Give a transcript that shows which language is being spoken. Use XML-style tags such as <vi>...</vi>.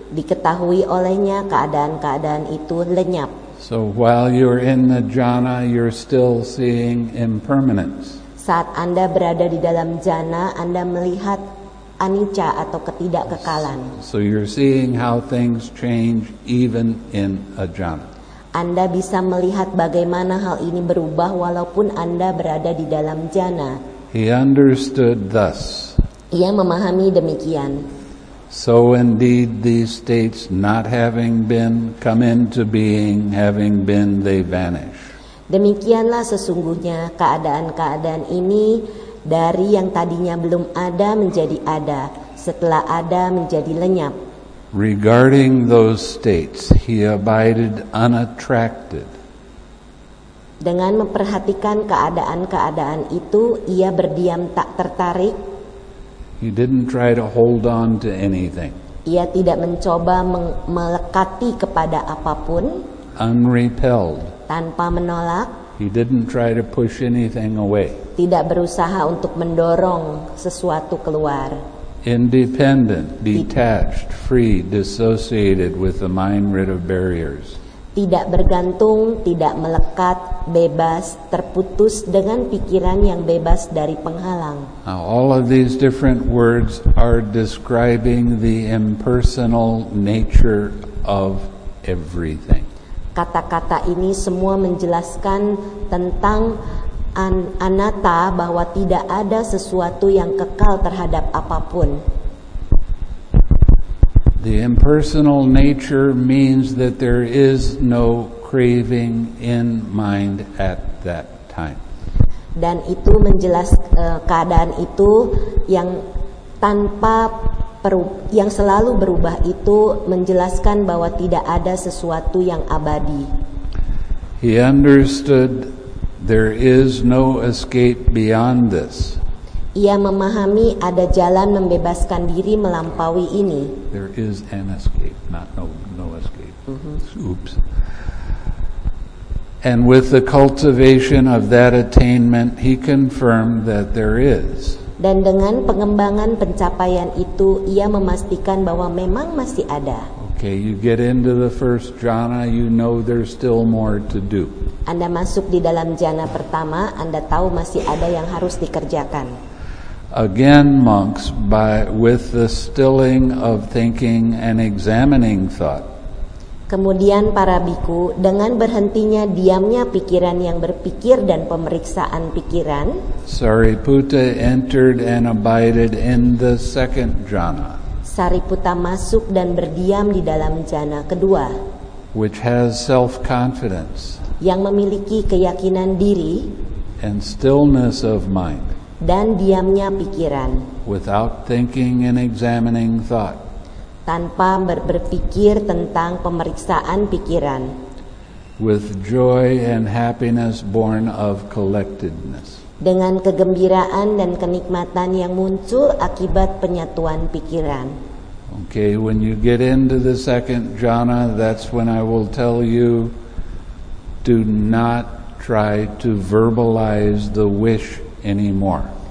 <id>Diketahui olehnya keadaan-keadaan itu lenyap.</id> <en>So while you're in the jhana, you're still seeing impermanence.</en> <id>Saat Anda berada di dalam jhana, Anda melihat anicca atau ketidakkekalan.</id> <en>So you're seeing how things change even in a jhana.</en> <id>Anda bisa melihat bagaimana hal ini berubah walaupun Anda berada di dalam jhana.</id> <en>He understood thus.</en> <id>Ia memahami demikian.</id> <en>So indeed these states not having been come into being, having been they vanish.</en> <id>Demikianlah sesungguhnya keadaan-keadaan ini dari yang tadinya belum ada menjadi ada, setelah ada menjadi lenyap.</id> <en>Regarding those states, he abided unattracted.</en> <id>Dengan memperhatikan keadaan-keadaan itu, ia berdiam tak tertarik.</id> <en>He didn't try to hold on to anything.</en> <id>Ia tidak mencoba melekati kepada apapun.</id> <en>Unrepelled.</en> <id>Tanpa menolak.</id> <en>He didn't try to push anything away.</en> <id>Tidak berusaha untuk mendorong sesuatu keluar.</id> <en>Independent, detached, free, dissociated with the mind rid of barriers.</en> <id>Tidak bergantung, tidak melekat, bebas, terputus dengan pikiran yang bebas dari penghalang.</id> <en>Now, all of these different words are describing the impersonal nature of everything.</en> <id>Kata-kata ini semua menjelaskan tentang anatta, bahwa tidak ada sesuatu yang kekal terhadap apapun.</id> <en>The impersonal nature means that there is no craving in mind at that time.</en> <id>Dan itu menjelaskan keadaan itu yang tanpa yang selalu berubah itu menjelaskan bahwa tidak ada sesuatu yang abadi.</id> <en>He understood there is no escape beyond this.</en> <id>Ia memahami ada jalan membebaskan diri melampaui ini.</id> <en>There is an escape, not no escape. Mm-hmm. Oops. And with the cultivation of that attainment, he confirmed that there is.</en> <id>Dan dengan pengembangan pencapaian itu, ia memastikan bahwa memang masih ada.</id> <en>Okay, you get into the first jhana, you know there's still more to do.</en> <id>Anda masuk di dalam jhana pertama, Anda tahu masih ada yang harus dikerjakan.</id> <en>Again, monks, with the stilling of thinking and examining thought.</en> <id>Kemudian para bhikkhu, dengan berhentinya diamnya pikiran yang berpikir dan pemeriksaan pikiran,</id> <en>Sariputta entered and abided in the second jhana.</en> <id>Sariputta masuk dan berdiam di dalam jhana kedua,</id> <en>which has self-confidence,</en> <id>yang memiliki keyakinan diri,</id> <en>and stillness of mind,</en> <id>dan diamnya pikiran,</id> <en>without thinking and examining thought,</en> <id>tanpa berpikir tentang pemeriksaan pikiran,</id> <en>with joy and happiness born of collectedness,</en> <id>dengan kegembiraan dan kenikmatan yang muncul akibat penyatuan pikiran.</id> <en>Okay, when you get into the second jhana, that's when I will tell you, do not try to verbalize the wish anymore.</en>